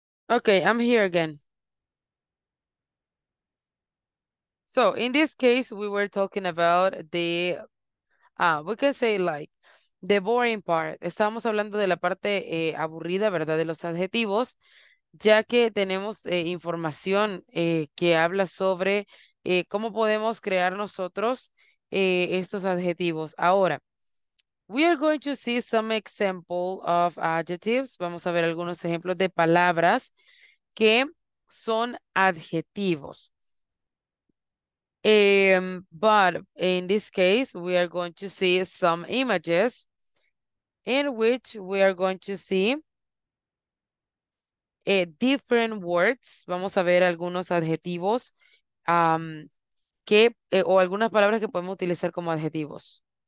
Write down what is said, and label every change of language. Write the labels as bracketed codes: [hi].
[en] Okay, I'm here again. So in this case, we were talking about the, we can say like, the boring part. [es] Estábamos hablando de la parte aburrida, ¿verdad? De los adjetivos, ya que tenemos información que habla sobre cómo podemos crear nosotros estos adjetivos. [en] Ahora, we are going to see some example of adjectives. [es] Vamos a ver algunos ejemplos de palabras que son adjetivos. [en] But in this case, we are going to see some images in which we are going to see different words. [es] Vamos a ver algunos adjetivos o algunas palabras que podemos utilizar como adjetivos.